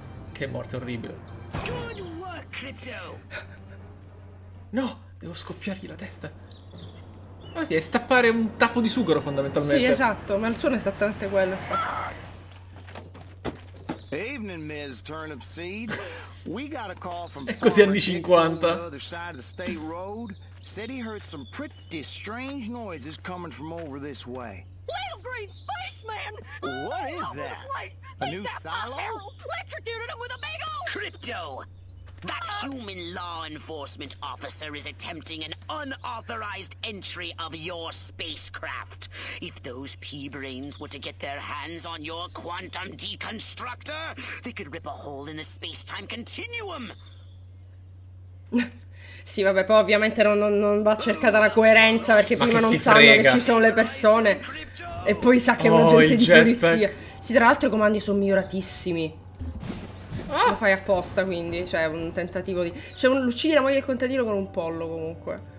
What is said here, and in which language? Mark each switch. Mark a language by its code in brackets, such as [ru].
[it] Che morte orribile. [en] Good work, Crypto. No! [it] Devo scoppiargli la testa! Ma sì, è stappare un tappo di sughero fondamentalmente. Sì, esatto, ma il suono è esattamente quello. [en] Evening, Ms. Turnip Seed. We got a call from the other side of the state road. Said he heard some pretty strange noises coming from over this way. Little green spaceman! What is that? A new silo? Electrocuted him with a big old... Crypto! That human law enforcement officer is attempting an unauthorized entry of your spacecraft. If those pea-brains were to get their hands on your quantum deconstructor, they could rip a hole in the space-time continuum! [it] Sì, vabbè, poi ovviamente non va cercata la coerenza perché ma prima non sanno frega. Che ci sono le persone e poi sa che è un agente di polizia. Sì, tra l'altro i comandi sono miglioratissimi. Ah. Lo fai apposta, quindi, cioè un tentativo di... Cioè, uccidi la moglie del contadino con un pollo, comunque.